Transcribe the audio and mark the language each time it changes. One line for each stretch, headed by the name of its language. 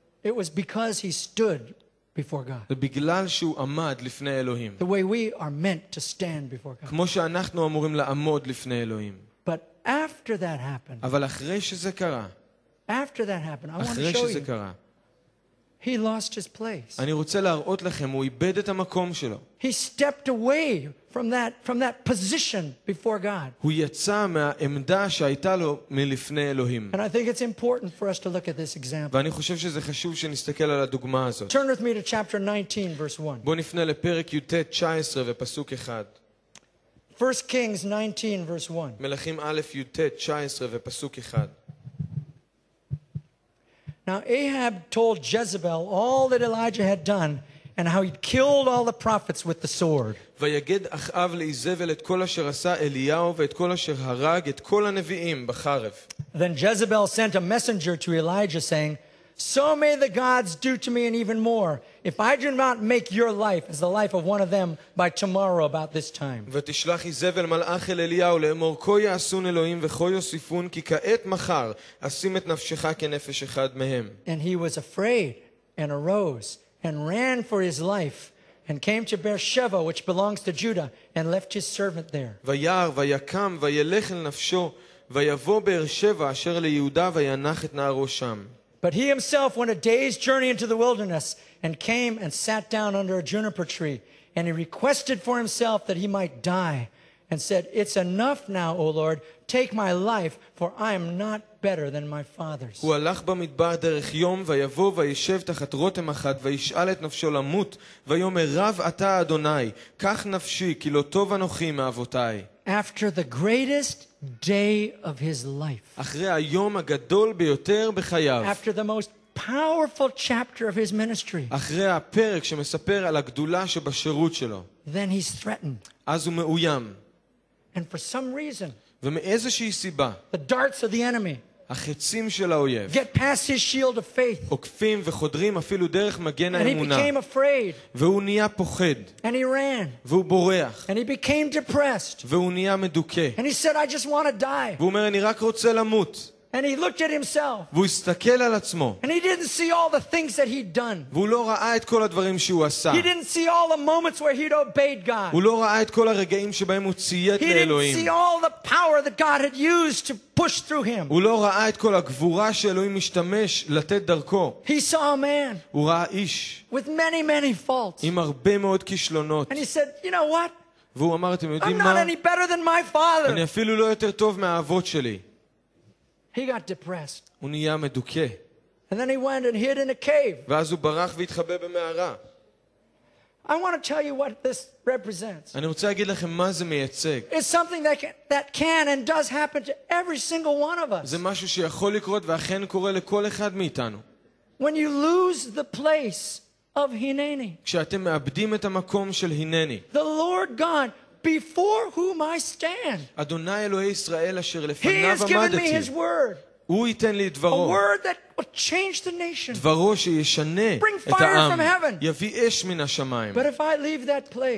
English: It was because he stood before God. The way we are meant to stand before God. But after that happened, I want to show you. He lost his place.
Hebrew: אני רוצה להראות לכם, הוא איבד את המקום שלו.
English: He stepped away from that position before God.
Hebrew: הוא יצא מהעמדה שהייתה לו מלפני אלוהים.
English: And I think it's important for us to look at this example.
Hebrew: ואני חושב שזה חשוב שנסתכל על הדוגמה הזאת.
English: Turn with me to chapter 19, verse 1.
Hebrew: בוא נפנה לפרק י"ט 19 ופסוק 1.
English: 1 Kings 19, verse 1.
Hebrew: מלכים א' י"ט 19 ופסוק 1.
English: Now Ahab told Jezebel all that Elijah had done and how he'd killed all the prophets with the sword.
Hebrew: ויגד אחאב לאיזבל את כל אשר עשה אליהו ואת כל אשר הרג את כל הנביאים בחרב.
English: Then Jezebel sent a messenger to Elijah saying, "So may the gods do to me and even more if I do not make your life as the life of one of them by tomorrow about this time."
Hebrew: ותשלח איזבל מלאך אל אליהו לאמור כה יעשון אלוהים וכה יוסיפון כי כעת מחר אשים את נפשך כנפש אחד מהם.
English: And he was afraid and arose and ran for his life and came to Beersheba which belongs to Judah and left his servant there.
Hebrew: ויער ויקם וילך אל נפשו ויבוא בארשבע אשר ליהודה וינח את נערו שם.
English: But he himself went a day's journey into the wilderness and came and sat down under a juniper tree. And he requested for himself that he might die and said, "It's enough now, O Lord, take my life, for I am not better than my father's."
Hebrew: הוא הלך במדבר דרך יום ויבוא וישב תחת רותם אחת וישאל את נפשו למות ויאמר רב אתה אדוני, קח נפשי כי לא טוב אנוכי מאבותיי.
English: After the greatest day of his life,
Hebrew: אחרי היום הגדול ביותר בחייו,
English: after the most powerful chapter of his ministry,
Hebrew: אחרי הפרק שמספר על הגדולה שבשירות שלו,
English: then he's threatened.
Hebrew: אז הוא מאוים.
English: And for some reason,
Hebrew: ומאיזושהי סיבה,
English: the darts of the enemy,
Hebrew: החצים של האויב,
English: get past his shield of faith,
Hebrew: עוקפים וחודרים אפילו דרך מגן האמונה,
English: and he became afraid,
Hebrew: והוא נהיה פוחד,
English: and he ran,
Hebrew: והוא בורח,
English: and he became depressed,
Hebrew: והוא נהיה מדוכא,
English: and he said, "I just want to die."
Hebrew: והוא אומר, אני רק רוצה למות.
English: And he looked at himself.
Hebrew: והוא הסתכל על עצמו.
English: And he didn't see all the things that he'd done.
Hebrew: והוא לא ראה את כל הדברים שהוא עשה.
English: He didn't see all the moments where he'd obeyed God.
Hebrew: והוא לא ראה את כל הרגעים שבהם הוא ציית לאלוהים.
English: He didn't see all the power that God had used to push through him.
Hebrew: והוא לא ראה את כל הגבורה שאלוהים משתמש לתת דרכו.
English: He saw a man.
Hebrew: והוא ראה איש.
English: With many, many faults.
Hebrew: עם הרבה מאוד כישלונות.
English: And he said, "You know what?
Hebrew: והוא אמר, אתם יודעים מה?
English: I'm not any better than my father.
Hebrew: אני אפילו לא יותר טוב מהאבות שלי."
English: He got depressed.
Hebrew: הוא נהיה מדוכא.
English: And then he went and hid in a cave.
Hebrew: ואז הוא ברח והתחבא במערה.
English: I want to tell you what this represents.
Hebrew: אני רוצה להגיד לכם מה זה מייצג.
English: It's something that can and does happen to every single one of us.
Hebrew: זה משהו שיכול לקרות ואכן קורה לכל אחד מאיתנו.
English: When you lose the place of Hineni.
Hebrew: כשאתם מאבדים את המקום של הינני.
English: The Lord God before whom I stand.
Hebrew: אדוני אלוהי ישראל אשר לפניו עמדתי.
English: He has given me his word.
Hebrew: הוא ייתן לי דברו.
English: A word that will change the nation.
Hebrew: דברו שישנה את העם.
English: Bring fire from heaven.
Hebrew: יביא אש מן השמיים.
English: But if I leave that place.